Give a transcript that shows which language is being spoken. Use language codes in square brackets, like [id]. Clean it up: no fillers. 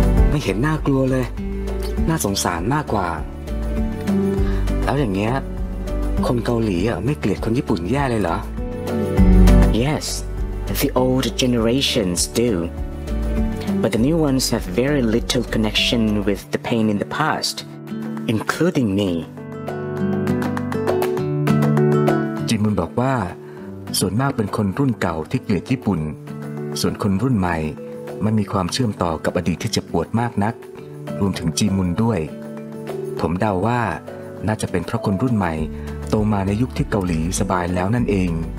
[th] ไม่เห็นน่ากลัวเลยน่าสงสารมากกว่าแล้วอย่างเงี้ยคนเกาหลีอ่ะไม่เกลียดคนญี่ปุ่นแย่เลยเหรอ [en] Yes, the old generations do. But the new ones have very little connection with the pain in the past, including me. [th] จิมุนบอกว่าส่วนมากเป็นคนรุ่นเก่าที่เกลียดญี่ปุ่นส่วนคนรุ่นใหม่มันมีความเชื่อมต่อกับอดีตที่เจ็บปวดมากนักรวมถึงจีมุนด้วยผมเดาว่าน่าจะเป็นเพราะคนรุ่นใหม่โตมาในยุคที่เกาหลีสบายแล้วนั่นเอง